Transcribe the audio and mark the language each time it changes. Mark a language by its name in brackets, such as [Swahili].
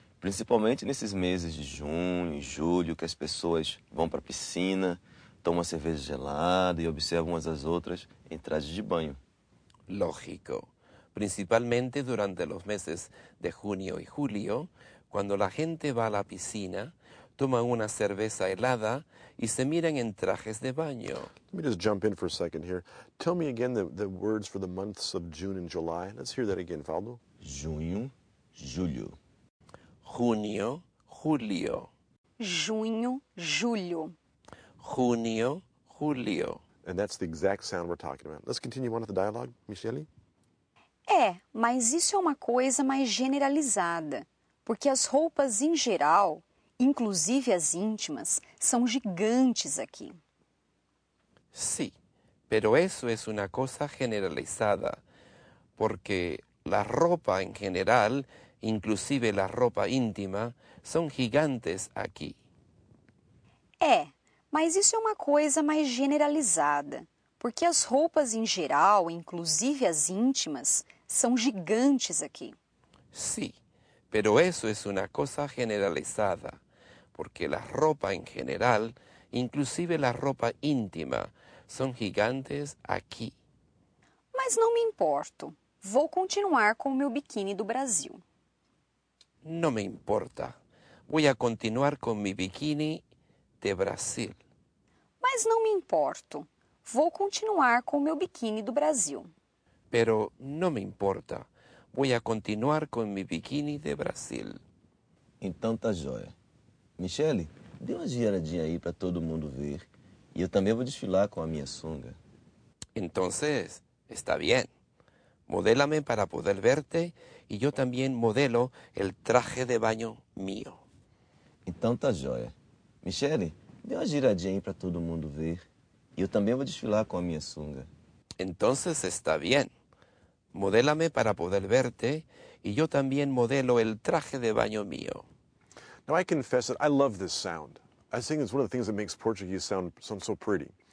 [Portuguese] Principalmente nesses meses de junho e julho, que as pessoas vão para a piscina, toma uma cerveja gelada e observa umas às outras em trajes de banho. Lógico. Principalmente durante os meses de junho e julho, quando a gente vai à piscina, toma uma cerveja helada e se miram em trajes de banho. [English] Let me just jump in for a second here. Tell me again the words for the months of June and July. Let's hear that again, Valdo. [Portuguese] Junho, julho. Junho, julho. Junho, julho. [Spanish] Junio, julio. [English] And that's the exact sound we're talking about. Let's continue on with the dialogue, Michele. [Portuguese] É, mas isso é uma coisa mais generalizada, porque as roupas em geral, inclusive as íntimas, são gigantes aqui. [Spanish] Sí, pero eso es una cosa generalizada, porque la ropa en general, inclusive la ropa íntima, son gigantes aqui. [Portuguese] É. Mas isso é uma coisa mais generalizada, porque as roupas em geral, inclusive as íntimas, são gigantes aqui. [Spanish] Sí, pero eso es una cosa generalizada, porque la ropa en general, inclusive la ropa íntima, son gigantes aquí. [Portuguese] Mas não me importo. Vou continuar com o meu biquíni do Brasil. [Spanish] No me importa. Voy a continuar con mi biquíni de Brasil. [Portuguese] Mas não me importo. Vou continuar com o meu biquíni do Brasil. [Spanish] Pero no me importa. Voy a continuar con mi biquíni de Brasil. [Portuguese] Então tá joia. Michele, dê uma giradinha aí para todo mundo ver. E eu também vou desfilar com a minha sunga. [Spanish] Entonces, está bien. Modélame para poder verte y yo también modelo el traje de baño mío. [Portuguese] Então tá joia. Michele, dê uma giradinha aí para todo mundo ver. E eu também vou desfilar com a minha sunga. [Spanish] Entonces está bien. Modélame para poder verte y yo también modelo el traje de baño mío. [English] Now I confess that I love this sound. I think it's one of the things that makes Portuguese sound so pretty.